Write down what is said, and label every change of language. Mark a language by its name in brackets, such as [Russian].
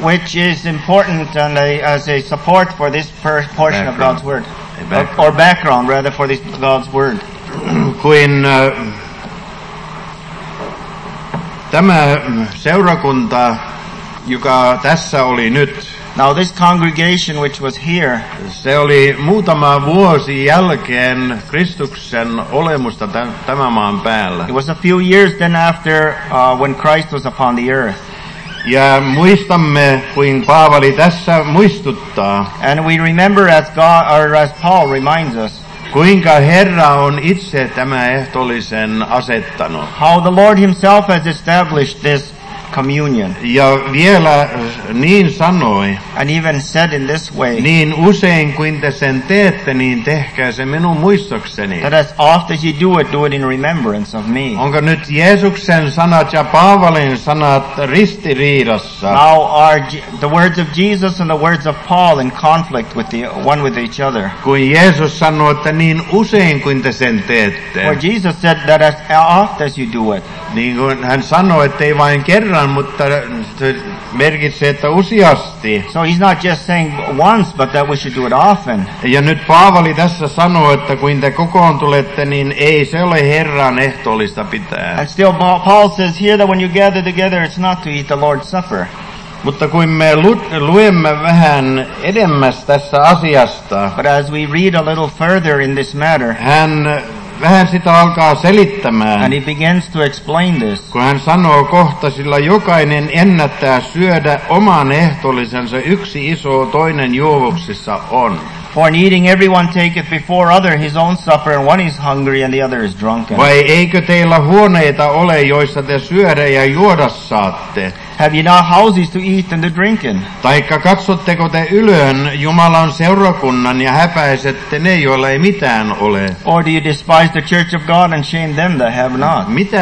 [English] Which is important and as a support for this portion of God's word. Or background rather for this God's word. [Finnish] Kuin tämä seurakunta, joka tässä oli nyt. [English] Now this congregation which was here, [Finnish] se oli muutama vuosi jälkeen Kristuksen olemusta tämän maan päällä. [English] It was a few years then after when Christ was upon the earth. [Finnish] Ja muistamme, kuin Paavali tässä muistuttaa. [English] And we remember as Paul reminds us, [Finnish] kuinka Herra on itse tämä ehtoollisen asettanut. [English] How the Lord himself has established this communion. [Finnish] Ja vielä niin sanoi. [English] And even said in this way. [Finnish] Niin usein kuin te sen teette, niin tehkää se minun muistokseni. [English] That as oft as you do it in remembrance of me. [Finnish] Onko nyt Jeesuksen sanat ja Paavalin sanat ristiriidassa? [English] Now are the words of Jesus and the words of Paul in conflict with the one with each other? [Finnish] Kun Jeesus sanoi, että niin usein kuin te sen teette. [English] For Jesus said that as oft as you do it. [Finnish] Niin kuin hän sanoi, että ei vain kerran, mutta se merkitsee, että useasti. [English] So he's not just saying once, but that we should do it often. [Finnish] Ja nyt Paavali tässä sanoo, että kun te kokoon tulette, niin ei se ole Herran ehtoollista pitää. [English] And still Paul says here that when you gather together, it's not to eat the Lord's Supper. [Finnish] Mutta kun me luemme vähän edemmäs tässä asiasta. [English] But as we read a little further in this matter. [Finnish] Hän vähän sitä alkaa selittämään. [English] And he begins to explain this. [Finnish] Kun hän sanoo kohta, sillä jokainen ennättää syödä oman ehtolisensa, yksi iso toinen juovuksissa on. [English] For in eating everyone taketh before other his own supper, and one is hungry and the other is drunken. [Finnish] Vai eikö teillä huoneita ole, joissa te syödä ja juoda saatte? [English] Have you not houses to eat and to drink in? [Finnish] Taikka katsotteko te ylön Jumalan seurakunnan ja häpäisette ne, joilla ei mitään ole? [English] Or do you despise the church of God and shame them that have not?